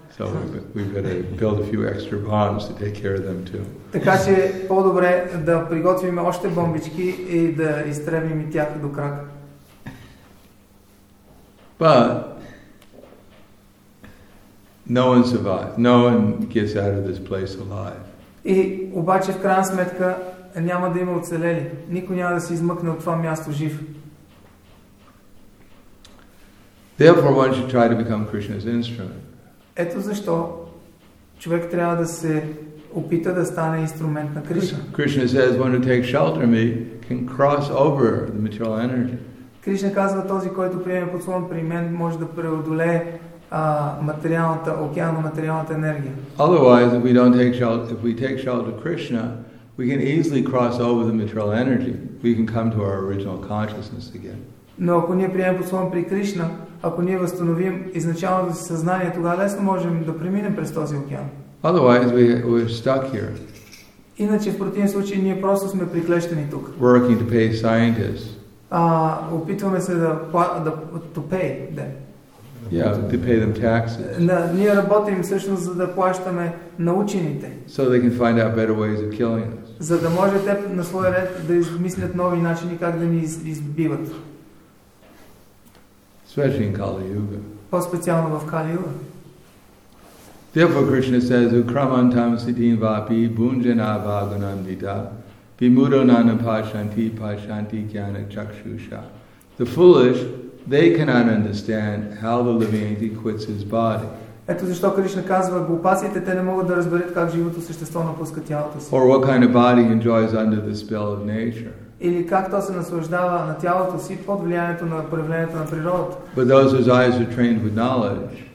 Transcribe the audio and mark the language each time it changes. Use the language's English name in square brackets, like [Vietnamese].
[English] So we've got to build a few extra bombs to take care of them too. [Bulgarian] Така че по-добре да приготвим още бомбички и да изтребим и тях до крак. [English] But no one survives. No one gets out of this place alive. [Bulgarian] И обаче в крайна сметка няма да има оцелели. Никой няма да се измъкне от това място жив. [English] Therefore, one should try to become Krishna's instrument. [Bulgarian] Ето защо човек трябва да се опита да стане инструмент на Кришна. [English] Krishna says, one who takes shelter in me can cross over the material energy. [Bulgarian] Кришна казва, този, който приеме подслон при мен, може да преодолее материалната, океана, материалната енергия. [English] Otherwise, if we don't take shelter, if we take shelter Krishna, we can easily cross over the material energy. We can come to our original consciousness again. [Bulgarian] Но ако ние приемем подслон при Кришна, ако ние възстановим изначалното си съзнание, тогава лесно можем да преминем през този океан. [English] Otherwise we're stuck here. [Bulgarian] Иначе в противен случай ние просто сме приклещени тук. [English] Working to pay scientists. [Bulgarian] Опитваме се да [English] to pay them. Yeah, to pay them taxes. [Bulgarian] Ние работим всъщност за да плащаме на учените. [English] So they can find out better ways of killing us. [Bulgarian] За да може те на свой ред да измислят нови начини как да ни избиват. [English] Especially in Kali Yuga. [Bulgarian] По-специално в Кали Юга. [English] Therefore Krishna says, [Sanskrit] Ukramantam Siddhin Vapi Bunjana Vaganandita Vimudo Nana Pashanti Pashanti Jnana Chakshusha. [English] The foolish, they cannot understand how the living entity quits his body. [Bulgarian] Ето защо Кришна казва, глупаците, те не могат да разберат как живото същество напуска тялото си. [English] Or what kind of body enjoys under the spell of nature. [Bulgarian] Или как то се наслаждава на тялото си под влиянието на проявлението на природата. [English] But those whose eyes are trained with knowledge.